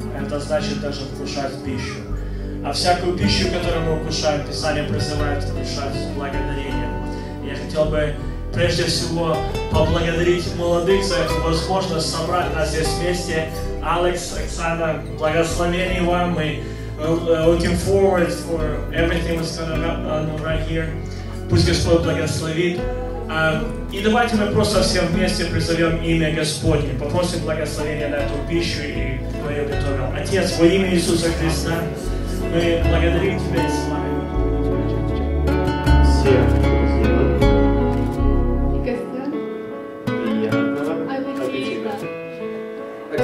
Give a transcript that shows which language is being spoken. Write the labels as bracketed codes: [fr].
[ru] Это значит даже вкушать пищу. А всякую пищу, которую мы вкушаем, Писание призывает вкушать с благодарением. Я хотел бы прежде всего поблагодарить молодых за эту возможность собрать нас здесь вместе. Алекс, Оксана, благословение вам. Мы [en] looking forward for everything that's going on right here. [ru] Пусть Господь благословит. И давайте мы просто всем вместе призовем имя Господне. Попросим благословения на эту пищу, и мы ее готовим. Отец, во имя Иисуса Христа, мы благодарим Тебя и славим.